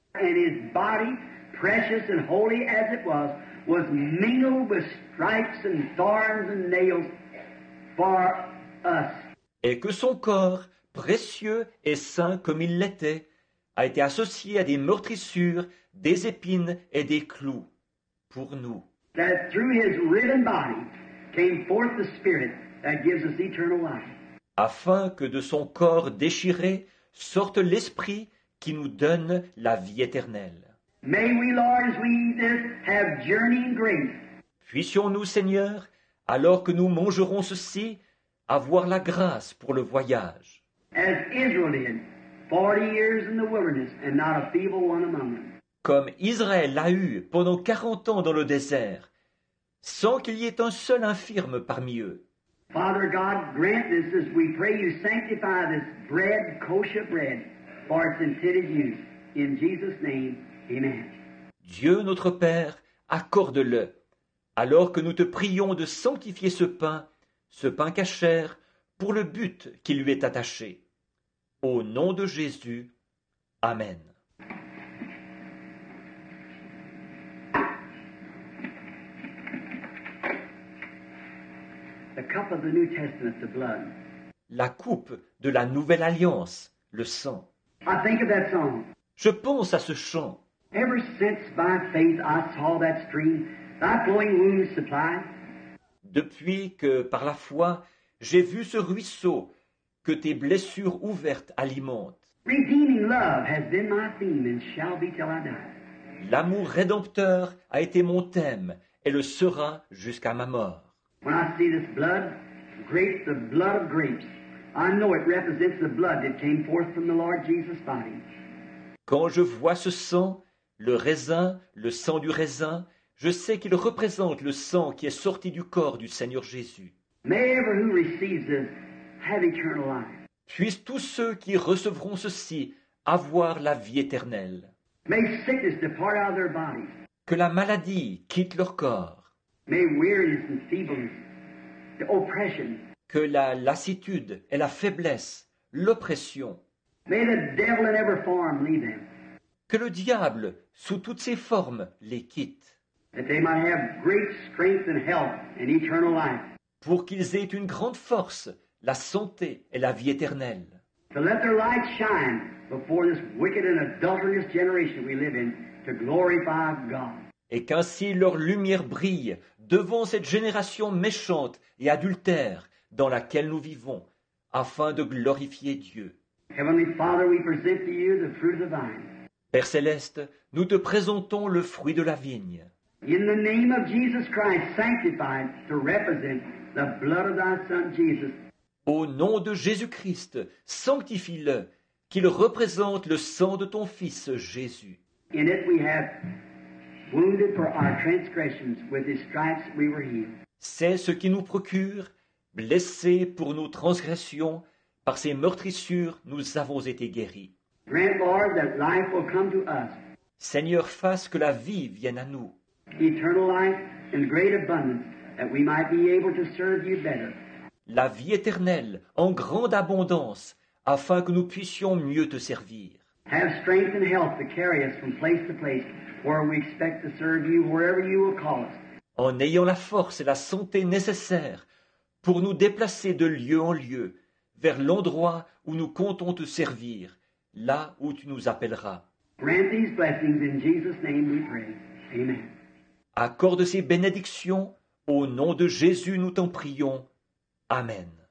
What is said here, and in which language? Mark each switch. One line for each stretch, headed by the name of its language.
English: And his body, precious and holy as it was mingled with stripes and thorns and nails for us.
French: Et que son corps, précieux et saint comme il l'était, a été associé à des meurtrissures, des épines et des clous pour nous.
English: That through his riven body came forth the Spirit that gives us eternal life.
French: Afin que de son corps déchiré sorte l'Esprit qui nous donne la vie éternelle.
English: May we, Lord, as we eat this, have journeying grace.
French: Puissions-nous, Seigneur, alors que nous mangerons ceci, avoir la grâce pour le voyage.
English: As Israel did, 40 years in the wilderness, and not a feeble one among them.
French: Comme Israël l'a eu pendant 40 ans dans le désert, sans qu'il y ait un seul infirme parmi eux.
English: Father God, grant this as we pray you sanctify this bread, kosher bread, for its intended use. In Jesus' name, amen.
French: Dieu notre Père, accorde-le, alors que nous te prions de sanctifier ce pain cachère, pour le but qui lui est attaché. Au nom de Jésus, amen.
English: The cup of the New Testament, the blood.
French: La coupe de la Nouvelle Alliance, le sang.
English: I think of that song.
French: Je pense à ce chant.
English: Ever since by faith I saw that stream, thy flowing wounds supply.
French: Depuis que par la foi j'ai vu ce ruisseau que tes blessures ouvertes alimentent.
English: Redeeming love has been my theme and shall be till I die.
French: L'amour rédempteur a été mon thème et le sera jusqu'à ma mort.
English: When I see this blood, grapes, the blood of grapes, I know it represents the blood that came forth from the Lord Jesus' body.
French: Quand je vois ce sang, le raisin, le sang du raisin, je sais qu'il représente le sang qui est sorti du corps du Seigneur Jésus.
English: May ever who receives this have eternal life.
French: Puissent tous ceux qui recevront ceci avoir la vie éternelle.
English: May sickness depart out of their bodies.
French: Que la maladie quitte leur corps.
English: May weariness and feebleness, the oppression.
French: Que la lassitude et la faiblesse, l'oppression.
English: May the devil in every form leave them.
French: Que le diable, sous toutes ses formes, les quitte.
English: That they might have great strength and health and eternal life.
French: Pour qu'ils aient une grande force, la santé et la vie éternelle.
English: To let their light shine before this wicked and adulterous generation we live in, to glorify God.
French: Et qu'ainsi leur lumière brille devant cette génération méchante et adultère dans laquelle nous vivons, afin de glorifier Dieu.
English: Heavenly Father, we present to you the fruit of the vine.
French: Père céleste, nous te présentons le fruit de la vigne.
English: In the name of Jesus Christ, sanctified to represent the blood of thy Son Jesus.
French: Au nom de Jésus-Christ, sanctifie-le, qu'il représente le sang de ton Fils Jésus.
English: In it we have wounded for our transgressions, with his stripes we were healed.
French: C'est ce qui nous procure, blessés pour nos transgressions, par ses meurtrissures nous avons été guéris.
English: Grant, Lord, that life will come to us.
French: Seigneur, fasse que la vie vienne à nous.
English: Eternal life in great abundance, that we might be able to serve you better.
French: La vie éternelle en grande abondance, afin que nous puissions mieux te servir.
English: Have strength and health to carry us from place to place, where we expect to serve you wherever you will call us.
French: En ayant la force et la santé nécessaires pour nous déplacer de lieu en lieu vers l'endroit où nous comptons te servir, là où tu nous appelleras.
English: Grant these blessings in Jesus' name we pray. Amen.
French: Accorde ces bénédictions, au nom de Jésus nous t'en prions. Amen.